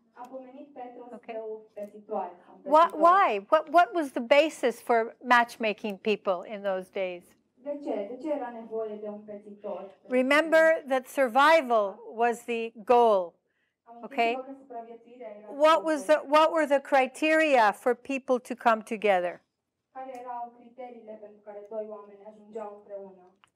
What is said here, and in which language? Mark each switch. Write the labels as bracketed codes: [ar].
[ro] A pomenit Petro pe o pesitoare. [en] Why? What was the basis for matchmaking people in those days? [ro] De ce era nevoie de un petitor? [en] Remember that survival was the goal. Okay? What were the criteria for people to come together? [ro] Care erau criteriile pentru care doi oameni ajungeau împreună?